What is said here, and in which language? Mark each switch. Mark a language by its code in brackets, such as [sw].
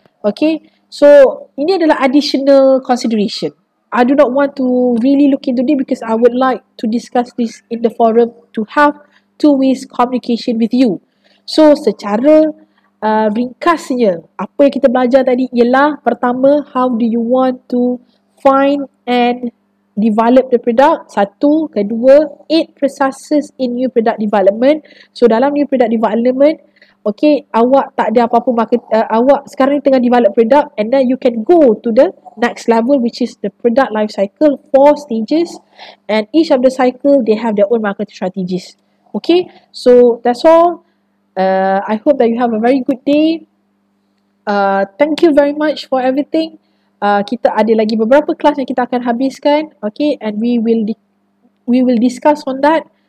[ms] Okay, so ini adalah additional consideration. [en] I do not want to really look into this because I would like to discuss this in the forum to have two-way communication with you. So, [ms] secara ringkasnya, apa yang kita belajar tadi ialah, pertama, [en] how do you want to find and develop the product? [ms] Satu, kedua, [en] 8 processes in new product development. So, dalam new product development, okay, [ms] awak tak ada apa-apa market, awak sekarang ni tengah develop product, [en] and then you can go to the next level, which is the product life cycle, 4 stages, and each of the cycle, they have their own market strategies. Okay, so that's all. I hope that you have a very good day. Thank you very much for everything. [ms] Kita ada lagi beberapa kelas yang kita akan habiskan. [en] Okay, and we will discuss on that.